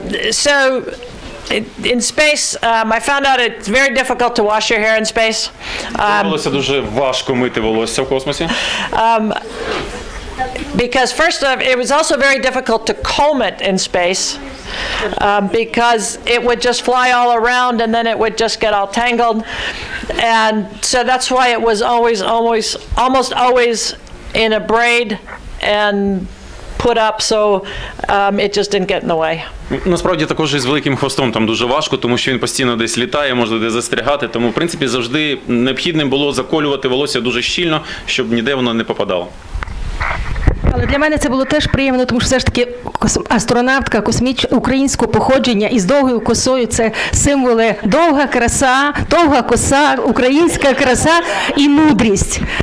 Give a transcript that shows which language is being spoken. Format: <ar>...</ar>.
<en>So, in space, I found out it's very difficult to wash your hair in space.</en> <uk>Довелося дуже важко мити волосся в космосі.</uk> <en>Because first of all, it was also very difficult to comb it in space, because it would just fly all around and then it would just get all tangled. And so that's why it was almost always in a braid and put up, so it just didn't get in the way.</en> <uk>Насправді також із великим хвостом там дуже важко, тому що він постійно десь літає, може десь застрягати, тому в принципі завжди необхідно було заколювати волосся дуже щільно, щоб ніде воно не попадало. Але для мене це було теж приємно, тому що все ж таки астронавтка українського походження із довгою косою – це символи довга краса, довга коса, українська краса і мудрість.</uk>